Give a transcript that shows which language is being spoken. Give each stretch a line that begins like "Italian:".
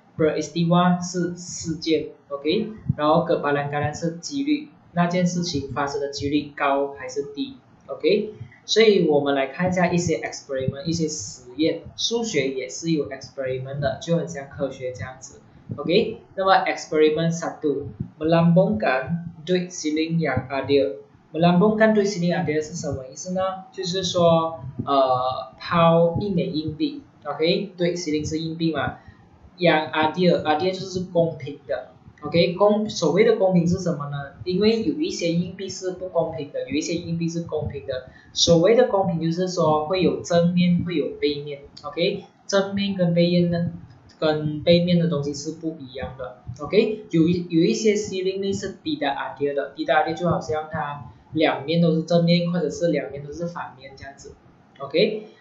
Chinese: Peristiwa 是事件 ，OK， 然后kebalan kalian 是几率，那件事情发生的几率高还是低 ，OK。所以我们来看一下一些 experiment， 一些实验，数学也是有 experiment 的，就很像科学这样子 ，OK。
Malay: 那么 experiment satu， melambungkan duit siling yang adil。 Melambungkan duit siling adil 是什么意思呢？
Chinese: 就是说抛一枚硬币 ，OK， 对，siling 是硬币嘛。 Yang adil 就是公平的 ，OK， 所谓的公平是什么呢？因为有一些硬币是不公平的，有一些硬币是公平的。所谓的公平就是说会有正面，会有背面 ，OK， 正面跟背面呢，跟背面的东西是不一样的 ，OK， 有一些 siling 呢是低的 adil 的，低的 adil 就好像它两面都是正面，或者是两面都是反面这样子 ，OK。